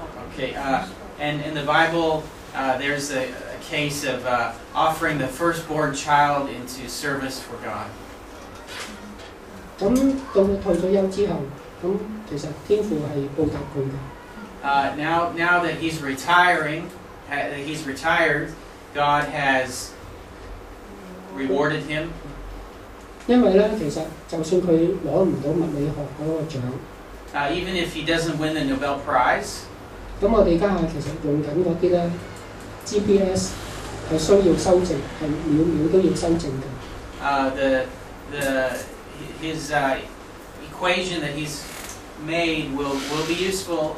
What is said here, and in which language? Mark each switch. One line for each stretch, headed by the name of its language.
English: Okay, and in the Bible, there's a case of offering the firstborn child into service for God.
Cantonese: 咁到退咗休之後，咁其實天父係報答佢嘅。
English: Now that he's retiring, he's retired, God has rewarded him.
Cantonese: 因為咧，其實就算佢攞唔到物理學嗰個獎
English: ，even if he doesn't win the Nobel Prize，
Cantonese: 咁我哋家下其實用緊嗰啲咧 ，GPS 係需要修正，係秒秒都要修正嘅。
English: His equation that he's made will be useful.